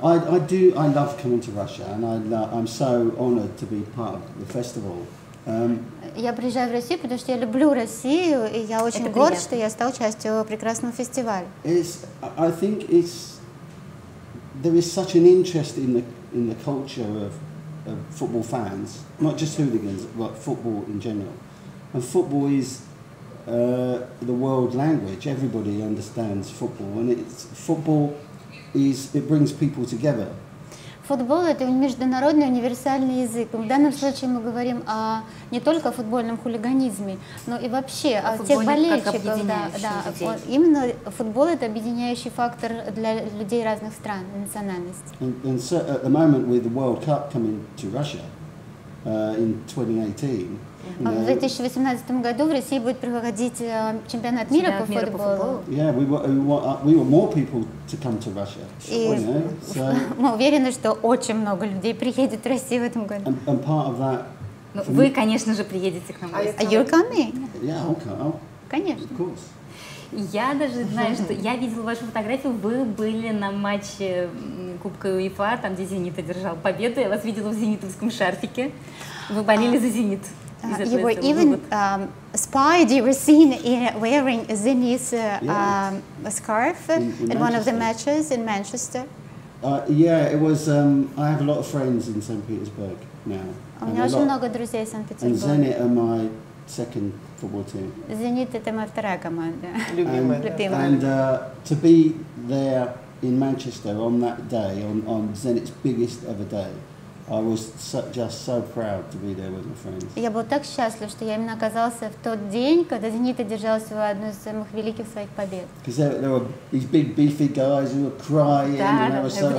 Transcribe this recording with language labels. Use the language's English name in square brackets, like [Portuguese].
[English] I love coming to Russia, and I'm so honored to be part of the festival. [Russian] Я приезжаю в Россию, потому что я люблю Россию, и я очень горд, что я стал частью прекрасного фестиваля. [English] I think there is such an interest in the culture of football fans, not just hooligans, but football in general. And football is the world language. Everybody understands football, and it brings people together. [Russian] Футбол — это международный универсальный язык. В данном случае мы говорим о не только о футбольном хулиганизме, но и вообще о тех болельщиках. Да, именно футбол — это объединяющий фактор для людей разных стран, национальностей. [English] And so at the moment with the World Cup coming to Russia in 2018. You know, [Russian] в 2018 году в России будет проходить чемпионат мира по футболу. [English] Yeah, we want more people to come to Russia. [Russian] Мы уверены, что очень много людей приедет в Россию в этом году. [English] And part of that. [Russian] Вы, конечно же, приедете к нам. [English] Are you coming? Yeah, I'll come. [Russian] Конечно. [English] Of course. [Russian] Я даже знаю, что я видела вашу фотографию, вы были на матче Кубка УЕФА, там, где «Зенит» одержал победу, я вас видела в «Зенитовском» шарфике, вы болели за «Зенит». [English] You were even spied. You were seen wearing Zenit's scarf in one of the matches in Manchester. Yeah, it was. I have a lot of friends in St. Petersburg now. And Zenit are my second football team. [Russian] Zenit — это моя вторая команда. [English] And to be there in Manchester on that day, on Zenit's biggest ever day. I was just so proud to be there with my friends. [Russian] Я был так счастлив, что я именно оказался в тот день, когда «Зенит» одержал свою одну из самых великих своих побед. [English] Because there were these big beefy guys who were crying, and I was so happy.